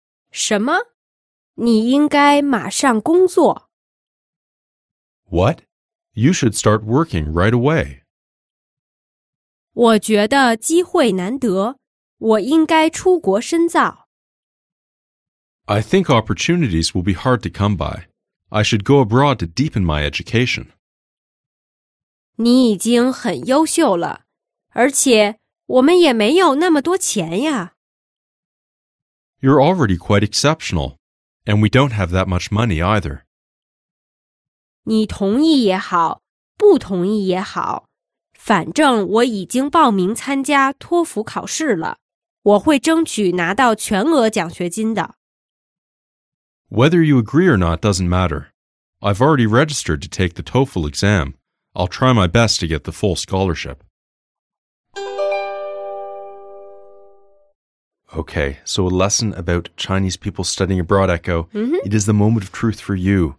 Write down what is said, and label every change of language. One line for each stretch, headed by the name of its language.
Chinese: 什么？你应该马上工作。
English: What? You should start working right away.
Chinese: 我觉得机会难得，我应该出国深造。
English: I think opportunities will be hard to come by. I should go abroad to deepen my education.
Chinese: 你已经很优秀了，而且我们也没有那么多钱呀。
English: You're already quite exceptional, and we don't have that much money either.
Chinese: 你同意也好，不同意也好，反正我已经报名参加托福考试了，我会争取拿到全额奖学金的。
English: Whether you agree or not doesn't matter. I've already registered to take the TOEFL exam. I'll try my best to get the full scholarship. Okay, so a lesson about Chinese people studying abroad, Echo. Mm-hmm. It is the moment of truth for you.